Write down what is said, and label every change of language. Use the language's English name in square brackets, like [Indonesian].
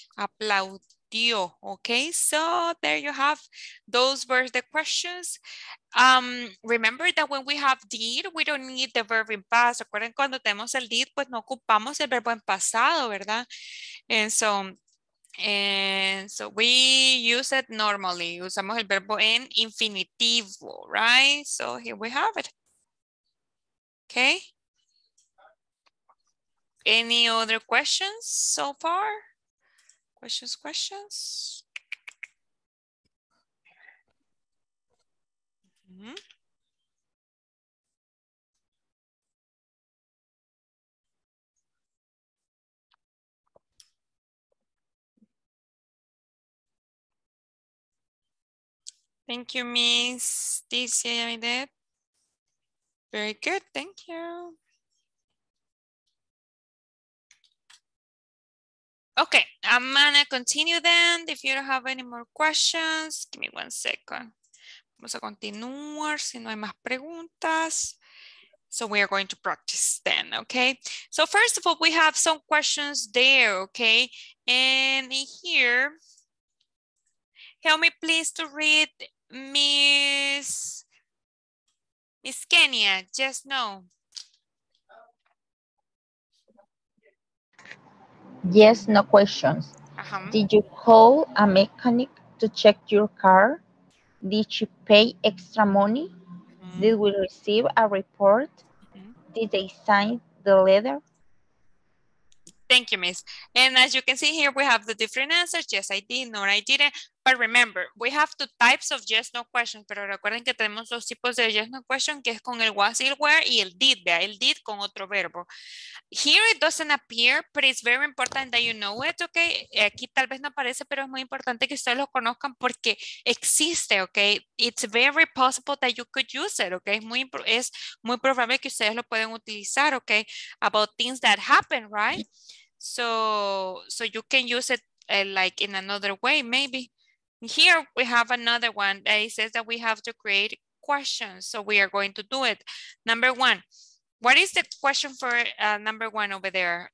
[English] Aplaudio. Okay, so there you have. Those were the questions. Remember that when we have did, we don't need the verb in past. [Spanish] Recuerden cuando tenemos el did, pues no ocupamos el verbo en pasado, ¿verdad? [English] And so we use it normally. [Spanish] Usamos el verbo en infinitivo, right? [English] So here we have it. Okay. Any other questions so far? Questions? Thank you, Miss DC. I did. Very good. Thank you. Okay, I'm gonna continue then. If you don't have any more questions, give me one second. [Spanish] Vamos a continuar si no hay más preguntas. [English] So we are going to practice then, okay? So first of all, we have some questions there, okay? And here, help me please to read Miss Kenya. Yes, no. Yes, no questions. Uh-huh. Did you call a mechanic to check your car? Did she pay extra money? Mm-hmm. Did we receive a report? Mm-hmm. Did they sign the letter? Thank you, miss. And as you can see here, we have the different answers. Yes, I did, no, I didn't. But remember, we have two types of yes, no questions. [Spanish] Pero recuerden que tenemos dos tipos de yes, no question, que es con el was, el where, y el did, ¿vea? El did con otro verbo. [English] Here it doesn't appear, but it's very important that you know it, okay? [Spanish] Aquí tal vez no aparece, pero es muy importante que ustedes lo conozcan porque existe, okay? [English] It's very possible that you could use it, okay? [Spanish] Es muy probable que ustedes lo pueden utilizar, okay? [English] About things that happen, right? So you can use it like in another way, maybe. Here we have another one that says that we have to create questions. So we are going to do it. Number one, what is the question for number one over there?